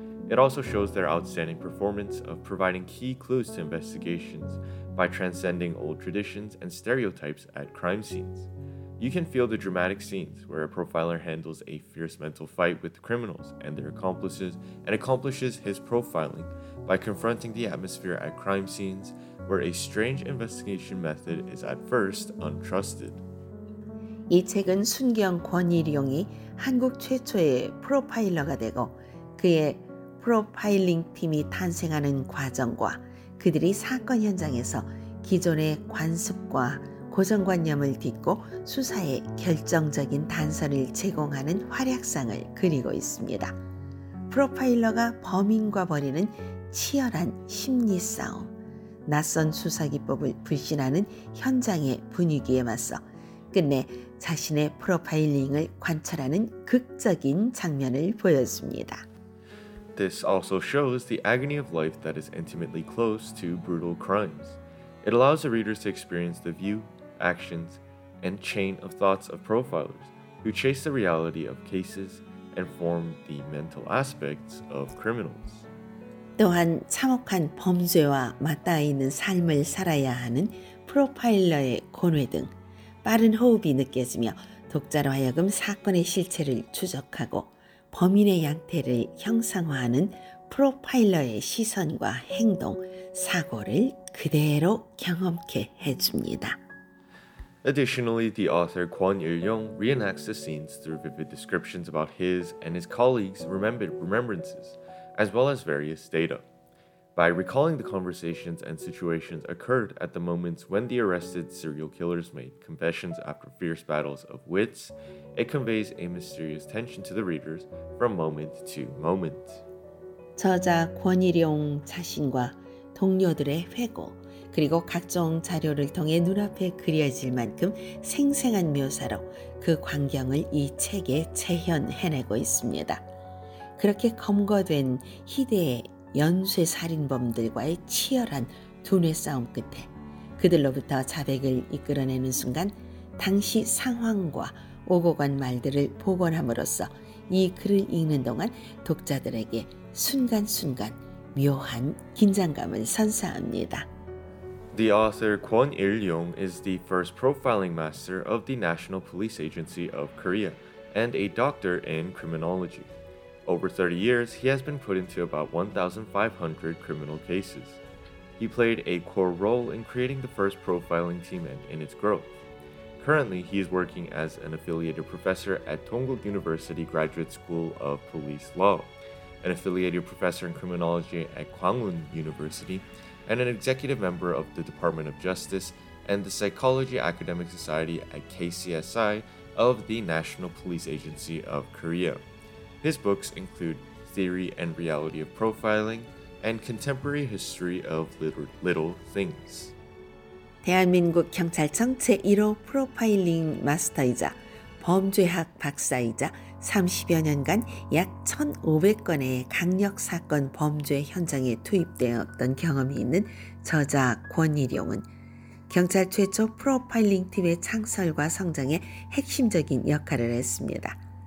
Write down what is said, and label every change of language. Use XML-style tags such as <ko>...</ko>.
<en>It also shows their outstanding performance of providing key clues to investigations by transcending old traditions and stereotypes at crime scenes. You can feel the dramatic scenes where a profiler handles a fierce mental fight with criminals and their accomplices and accomplishes his profiling by confronting the atmosphere at crime scenes where a strange investigation method is at first untrusted.</en> <ko>이 책은 순경 권일용이 한국 최초의 프로파일러가 되고 그의 프로파일링 팀이 탄생하는 과정과 그들이 사건 현장에서 기존의 관습과 고정관념을 딛고 수사에 결정적인 단서를 제공하는 활약상을 그리고 있습니다. 프로파일러가 범인과 벌이는 치열한 심리 싸움, 낯선 수사기법을 불신하는 현장의 분위기에 맞서 끝내 자신의 프로파일링을 관찰하는 극적인 장면을 보여줍니다.</ko> <en>This also shows the agony of life that is intimately close to brutal crimes. It allows the readers to experience the view, actions, and chain of thoughts of profilers who chase the reality of cases and form the mental aspects of criminals.</en> <ko>또한 참혹한 범죄와 맞닿아 있는 삶을 살아야 하는 프로파일러의 고뇌 등 빠른 호흡이 느껴지며 독자로 하여금 사건의 실체를 추적하고 범인의 양태를 형상화하는 프로파일러의 시선과 행동, 사고를 그대로 경험케 해줍니다.</ko> <en>Additionally, the author Kwon Il-yong reenacts the scenes through vivid descriptions about his and his colleagues' remembered remembrances, as well as various data. By recalling the conversations and situations occurred at the moments when the arrested serial killers made confessions after fierce battles of wits, it conveys a mysterious tension to the readers from moment to moment.</en> <ko>저자 권일용 자신과 동료들의 회고 그리고 각종 자료를 통해 눈앞에 그려질 만큼 생생한 묘사로 그 광경을 이 책에 재현해내고 있습니다. 그렇게 검거된 희대의 연쇄살인범들과의 치열한 두뇌싸움 끝에 그들로부터 자백을 이끌어내는 순간 당시 상황과 오고 간 말들을 복원함으로써 이 글을 읽는 동안 독자들에게 순간순간 묘한 긴장감을 선사합니다.</ko> <en>The author Kwon Il-yong is the first profiling master of the National Police Agency of Korea and a doctor in criminology. Over 30 years, he has been put into about 1,500 criminal cases. He played a core role in creating the first profiling team and in its growth. Currently, he is working as an affiliated professor at Dongguk University Graduate School of Police Law, an affiliated professor in criminology at Gwangun University, and an executive member of the Department of Justice and the Psychology Academic Society at KCSI of the National Police Agency of Korea. His books include Theory and Reality of Profiling and Contemporary History of Little Things.</en> <ko>대한민국 경찰청 제1호 프로파일링 마스터이자 범죄학 박사이자 30여 년간 약 1,500건의 강력사건 범죄 현장에 투입되었던 경험이 있는 저자 권일용은 경찰 최초 프로파일링팀의 창설과 성장에 핵심적인 역할을 했습니다.</ko>